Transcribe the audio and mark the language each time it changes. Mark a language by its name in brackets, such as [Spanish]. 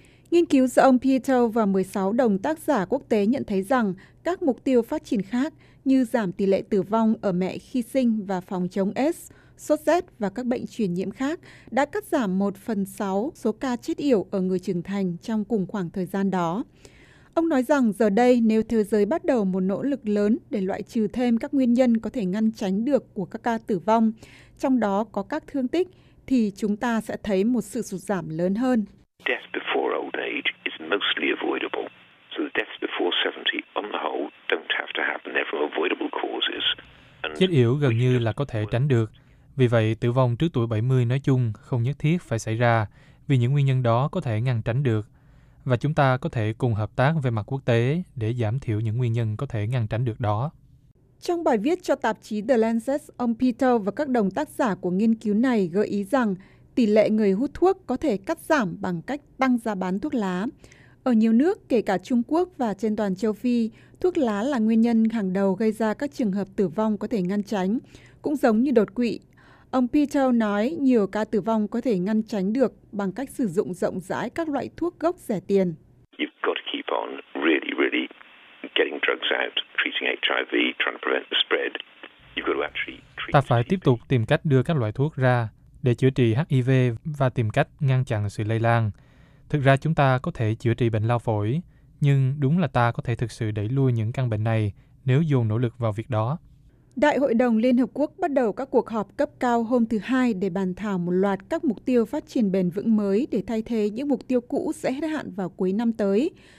[Vietnamese] Nghiên cứu do ông Peter và 16 đồng tác giả quốc tế nhận thấy rằng các mục tiêu phát triển khác như giảm tỷ lệ tử vong ở mẹ khi sinh và phòng chống AIDS, sốt rét và các bệnh truyền nhiễm khác đã cắt giảm 1/6 số ca chết yểu ở người trưởng thành trong cùng khoảng thời gian đó. Ông nói rằng giờ đây nếu thế giới bắt đầu một nỗ lực lớn để loại trừ thêm các nguyên nhân có thể ngăn tránh được của các ca tử vong, trong đó có các thương tích, thì chúng ta sẽ thấy một sự sụt giảm lớn hơn. [English] Death before old age is mostly avoidable. So the deaths before 70 on the whole don't have to happen. They're from avoidable causes. [Vietnamese] Chết yểu gần như là có thể tránh được. Vì vậy, tử vong trước tuổi 70 nói chung không nhất thiết phải xảy ra, vì những nguyên nhân đó có thể ngăn tránh được. Và chúng ta có thể cùng hợp tác về mặt quốc tế để giảm thiểu những nguyên nhân có thể ngăn tránh được đó. Trong bài viết cho tạp chí The Lancet, ông Peter và các đồng tác giả của nghiên cứu này gợi ý rằng tỷ lệ người hút thuốc có thể cắt giảm bằng cách tăng giá bán thuốc lá. Ở nhiều nước, kể cả Trung Quốc và trên toàn châu Phi, thuốc lá là nguyên nhân hàng đầu gây ra các trường hợp tử vong có thể ngăn tránh, cũng giống như đột quỵ. Ông Peter nói nhiều ca tử vong có thể ngăn tránh được bằng cách sử dụng rộng rãi các loại thuốc gốc rẻ tiền. [English] You've got to keep on really, really getting drugs out, treating HIV, trying to prevent the spread. You've got to actually treat. [Vietnamese] Ta phải tiếp tục tìm cách đưa các loại thuốc ra để chữa trị HIV và tìm cách ngăn chặn sự lây lan. Thực ra chúng ta có thể chữa trị bệnh lao phổi, nhưng đúng là ta có thể thực sự đẩy lui những căn bệnh này nếu dồn nỗ lực vào việc đó. Đại hội đồng Liên Hợp Quốc bắt đầu các cuộc họp cấp cao hôm thứ Hai để bàn thảo một loạt các mục tiêu phát triển bền vững mới để thay thế những mục tiêu cũ sẽ hết hạn vào cuối năm tới.